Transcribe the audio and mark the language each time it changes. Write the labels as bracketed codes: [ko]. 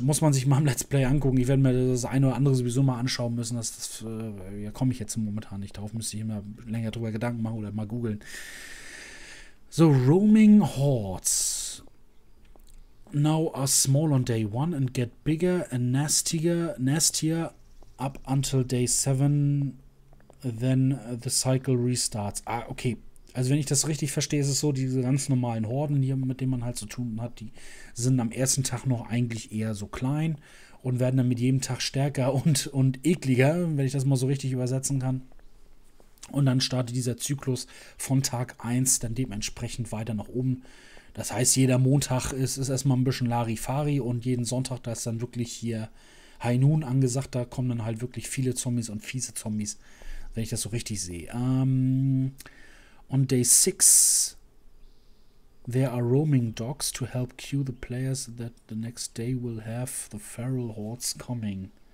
[de] Muss man sich mal im Let's Play angucken. Ich werde mir das eine oder andere sowieso mal anschauen müssen. Ja, komme ich jetzt momentan nicht drauf. Müsste ich mal länger drüber Gedanken machen oder mal googeln. [en] So, Roaming Hordes. Now are small on day one and get bigger and nastier up until day seven. Then the cycle restarts. Ah, okay. [de] Also, wenn ich das richtig verstehe, ist es so: diese ganz normalen Horden hier, mit denen man halt zu tun hat, die sind am ersten Tag noch eigentlich eher so klein und werden dann mit jedem Tag stärker und ekliger, wenn ich das mal so richtig übersetzen kann. Und dann startet dieser Zyklus von Tag 1 dann dementsprechend weiter nach oben. Das heißt, jeder Montag ist erstmal ein bisschen Larifari und jeden Sonntag, da ist dann wirklich hier High Noon angesagt. Da kommen dann halt wirklich viele Zombies und fiese Zombies, wenn ich das so richtig sehe. [en] On day 6, there are roaming dogs to help cue the players that the next day will have the feral hordes coming.